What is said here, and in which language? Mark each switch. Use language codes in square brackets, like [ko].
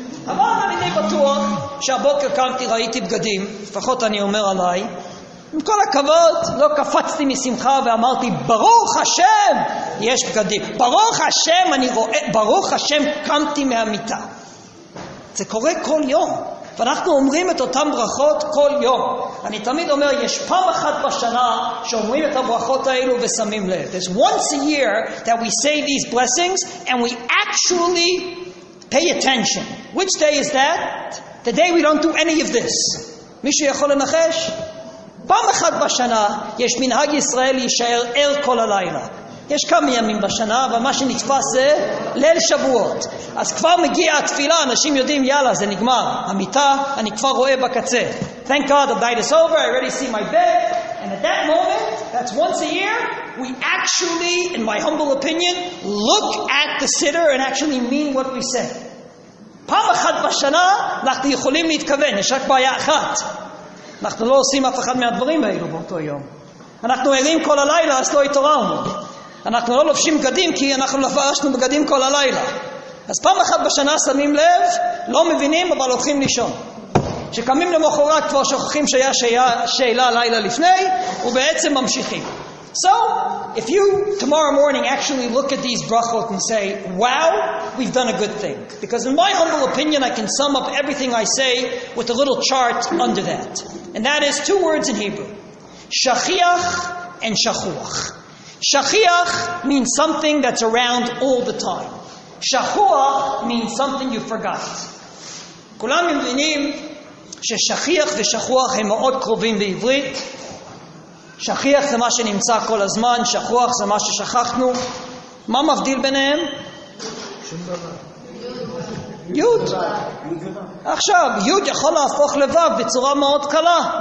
[he] אבל אני די בטוח שהבוקר קמתי, ראיתי בגדים, לפחות אני אומר עליי, עם כל הכבוד, לא קפצתי משמחה ואמרתי, ברוך השם, יש בגדים. ברוך השם, אני רואה, ברוך השם, קמתי מהמיטה. זה קורה כל יום. ואנחנו אומרים את אותם ברכות כל יום. אני תמיד אומר, יש פעם אחת בשנה שאומרים את הברכות האלו ושמים לב. [en] There's once a year that we say these blessings and we actually pay attention. Which day is that? The day we don't do any of this. [he] מישהו יכול לנחש? פעם אחת בשנה יש מנהג ישראל להישאר ער כל הלילה. יש כמה ימים בשנה, אבל מה שנתפס זה ליל שבועות. אז כבר מגיע התפילה, אנשים יודעים, יאללה, זה נגמר. המיטה, אני כבר רואה בקצה. [en] Thank God, the night is over, I already see my bed. And at that moment, that's once a year, we actually, in my humble opinion, look at the sitter and actually mean what we say. [he] פעם אחת בשנה, אנחנו יכולים להתכוון, יש רק בעיה אחת. אנחנו לא עושים אף אחד מהדברים האלו באותו יום. אנחנו ערים כל הלילה, אז לא התעוררנו. אנחנו לא לובשים בגדים, כי אנחנו לבשנו בגדים כל הלילה. אז פעם אחת בשנה שמים לב, לא מבינים, אבל הולכים לישון. כשקמים למחרת כבר שוכחים שהיה שאלה לילה לפני, ובעצם ממשיכים. [en] So, if you tomorrow morning actually look at these brachot and say, wow, we've done a good thing. Because in my humble opinion, I can sum up everything I say with a little chart under that. And that is two words in Hebrew. Shachiach and shachuach. Shachiach means something that's around all the time. Shachuach means something you forgot. [he] Kulam mevinim ששachiach ושachuach הם מאוד קרובים בעברית. שכיח זה מה שנמצא כל הזמן, שכוח זה מה ששכחנו. מה מבדיל ביניהם? יוד. עכשיו, יוד יכול להפוך לבב בצורה מאוד קלה.